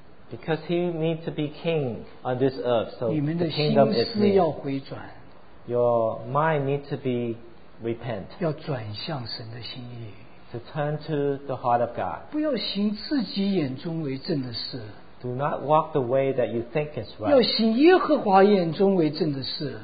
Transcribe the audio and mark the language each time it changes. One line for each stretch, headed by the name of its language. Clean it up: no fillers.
English: Because he needs to be king on this earth, so the kingdom is near.
Chinese: 你们的心思要回转。
English: Your mind needs to be repent.
Chinese: 要转向神的心意。
English: To turn to the heart of God.
Chinese: 不要行自己眼中为正的事。
English: Do not walk the way that you think is right.
Chinese: 要行耶和华眼中为正的事。